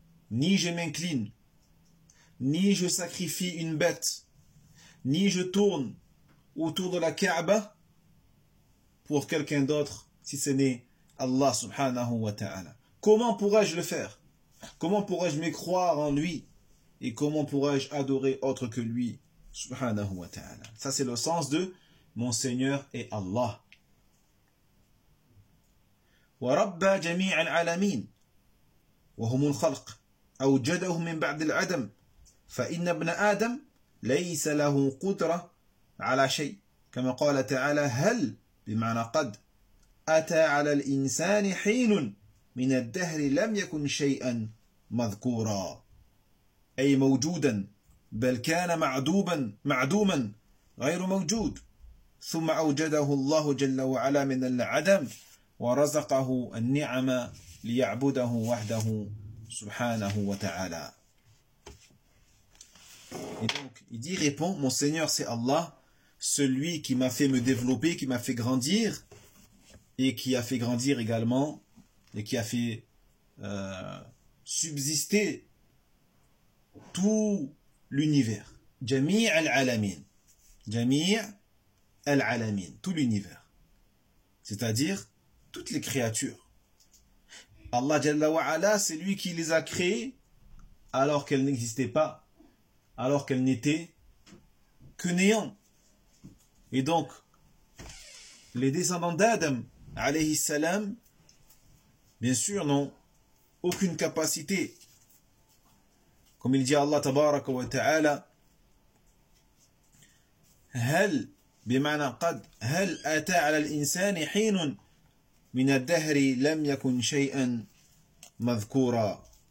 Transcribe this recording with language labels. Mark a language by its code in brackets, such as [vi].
[fr] Ni je m'incline, ni je sacrifie une bête, ni je tourne autour de la Kaaba pour quelqu'un d'autre si ce n'est Allah, subhanahu wa ta'ala. Comment pourrais-je le faire? Comment pourrais-je me croire en lui? Et comment pourrais-je adorer autre que lui, subhanahu wa ta'ala? Ça, c'est le sens de mon Seigneur est Allah. [ar] ورب جميع العالمين وهم الخلق أوجدهم من بعد العدم فإن ابن آدم ليس له قدرة على شيء كما قال تعالى هل بمعنى قد أتى على الإنسان حين من الدهر لم يكن شيئا مذكورا أي موجودا بل كان معدوبا معدوما غير موجود ثم أوجده الله جل وعلا من العدم ورزقه النعم ليعبده وحده سبحانه وتعالى. [fr] Et donc, il dit, répond, mon Seigneur, c'est Allah, celui qui m'a fait me développer, qui m'a fait grandir, et qui a fait grandir également, et qui a fait subsister tout l'univers. [ar] Jami' al-alamin. Jami' al-alamin. Tout l'univers. [fr] C'est-à-dire toutes les créatures. Allah Jalla wa Ala, c'est lui qui les a créées alors qu'elles n'existaient pas, alors qu'elles n'étaient que néant. Et donc, les descendants d'Adam, alayhi salam, bien sûr, n'ont aucune capacité. Comme il dit [ar] Allah tabaraka wa ta'ala, هل بمعنى قد هل أتى على الإنسان حين من الدهر لم يكن شيئا مذكورا.